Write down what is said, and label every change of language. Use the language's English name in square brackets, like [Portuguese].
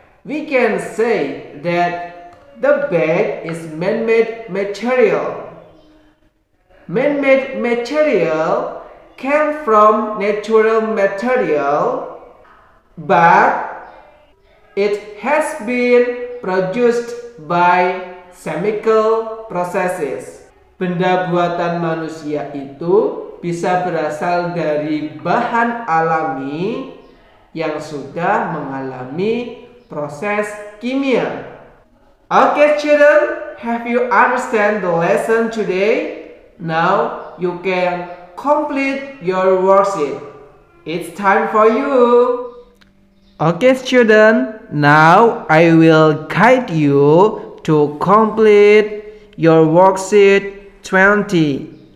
[English] We can say that the bag is man-made material. Man-made material came from natural material, but it has been produced by chemical processes. [Indonesian] Benda buatan manusia itu bisa berasal dari bahan alami yang sudah mengalami proses kimia. [English] Okay, children, have you understand the lesson today? Now you can complete your worksheet. It's time for you. Okay, student, now I will guide you to complete your worksheet 20.